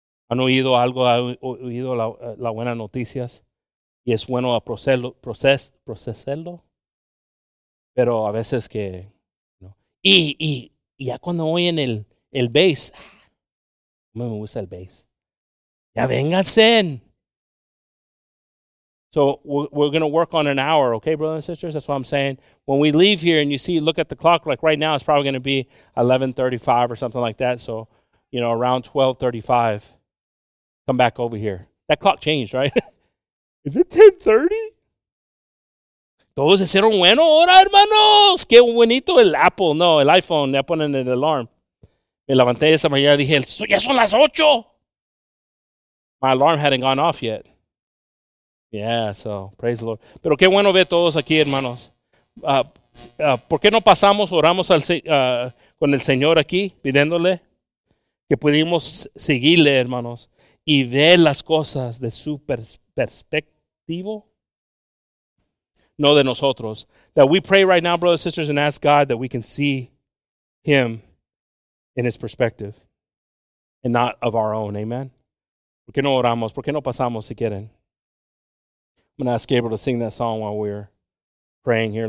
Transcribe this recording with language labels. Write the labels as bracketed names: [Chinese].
[Spanish] ¿Han oído algo? ¿Han oído la buena noticias? Y es bueno procesarlo. Pero a veces que no. Y ya cuando oyen el bass, ¿cómo me gusta el bass? Ya vénganse. [English] So we're going to work on an hour, okay, brothers and sisters? That's what I'm saying. When we leave here and you see, look at the clock, like right now, it's probably going to be 11:35 or something like that. So, you know, around 12:35, come back over here. That clock changed, right? Is it 10:30? [Spanish] Todos hicieron bueno ahora, hermanos. Qué bonito el Apple. No, el iPhone. Ya ponen el alarm. Me levanté esa mañana y dije, ya son las ocho. [English] My alarm hadn't gone off yet. Yeah, so praise the Lord. [Spanish] Pero qué bueno ver todos aquí, hermanos. ¿Por qué no pasamos, oramos con el Señor aquí, pidiéndole que pudimos seguirle, hermanos, y ver las cosas de su perspectiva, no de nosotros? [English] That we pray right now, brothers and sisters, and ask God that we can see him in his perspective and not of our own, amen? [Spanish] ¿Por qué no oramos? ¿Por qué no pasamos si quieren? [English] I'm going to ask Gabriel to sing that song while we're praying here.